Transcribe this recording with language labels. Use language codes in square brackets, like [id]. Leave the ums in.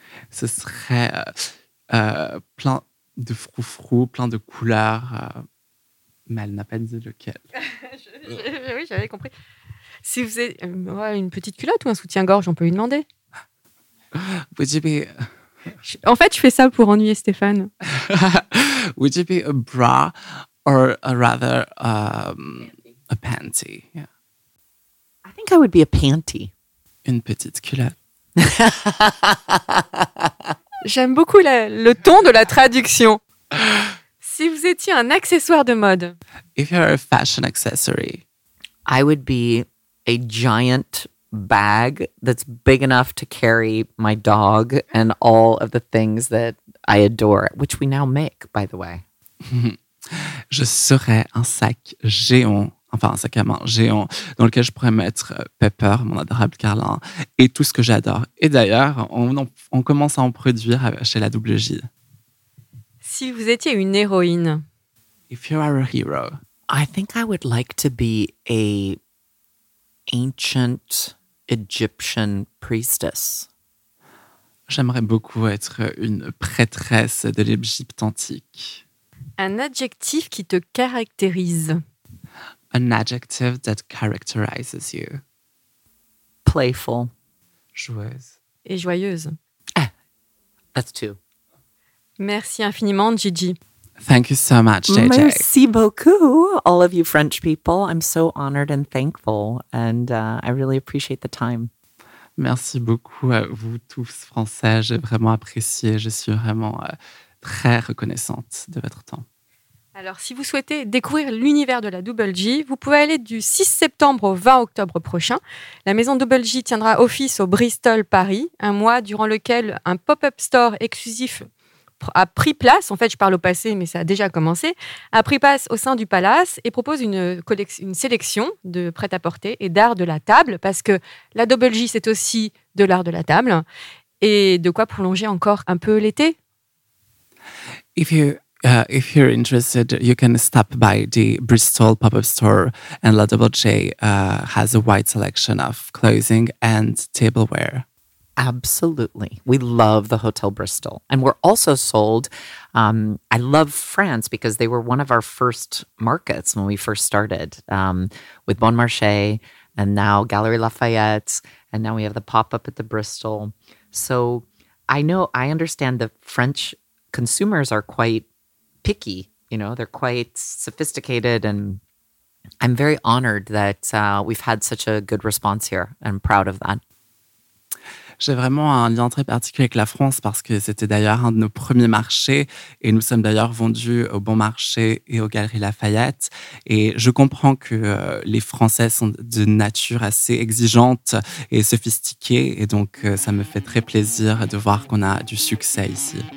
[fr] Ce serait euh, plein de froufrous, plein de couleurs. Euh, mais elle n'a pas dit lequel. je, je, oh oui, j'avais compris. Si vous avez une petite culotte ou un soutien-gorge, on peut lui demander. [en] Would you be... [fr] En fait, je fais ça pour ennuyer Stéphane. [en] Would you be a bra or a rather um, a panty? Yeah. I think I would be a panty. [fr] Une petite culotte. J'aime beaucoup la, le ton de la traduction. Si vous étiez un accessoire de mode. [en] If you're a fashion accessory. I would be a giant bag that's big to my [fr] je serais un sac géant, enfin un sac à main géant, dans lequel je pourrais mettre Pepper, mon adorable Carlin, et tout ce que j'adore. Et d'ailleurs, on, on, commence à en produire chez la double J: Si vous étiez une héroïne. [en] If you are a hero. I think I would like to be a ancient Egyptian priestess. [fr] J'aimerais beaucoup être une prêtresse de l'Égypte antique. Un adjectif qui te caractérise. [en] An adjective that characterizes you. Playful. [fr] Joueuse. Et joyeuse. [en] Ah, that's two. [fr] Merci infiniment, Gigi. [en] Thank you so much, JJ. [fr] Merci beaucoup, [en] all of you French people. I'm so honored and thankful, and uh, I really appreciate the time. [fr] Merci beaucoup à vous tous, Français. J'ai vraiment apprécié. Je suis vraiment euh, très reconnaissante de votre temps. Alors, si vous souhaitez découvrir l'univers de la Double G, vous pouvez aller du 6 septembre au 20 octobre prochain. La maison Double G tiendra office au Bristol Paris, un mois durant lequel un pop-up store exclusif a pris place, en fait je parle au passé mais ça a déjà commencé, a pris place au sein du palace et propose une, une sélection de prêt-à-porter et d'art de la table parce que la double J c'est aussi de l'art de la table et de quoi prolonger encore un peu l'été. [en] If you uh, if you're interested, you can stop by the Bristol pop-up store, and La Double J uh, has a wide selection of clothing and tableware. Absolutely. We love the Hotel Bristol. And we're also sold. Um, I love France because they were one of our first markets when we first started um, with Bon Marché and now Gallery Lafayette. And now we have the pop up at the Bristol. So I know, I understand the French consumers are quite picky. You know, they're quite sophisticated. And I'm very honored that uh, we've had such a good response here and proud of that. [fr] J'ai vraiment un lien très particulier avec la France parce que c'était d'ailleurs un de nos premiers marchés et nous sommes d'ailleurs vendus au Bon Marché et aux Galeries Lafayette. Et je comprends que les Français sont de nature assez exigeante et sophistiquée et donc ça me fait très plaisir de voir qu'on a du succès ici.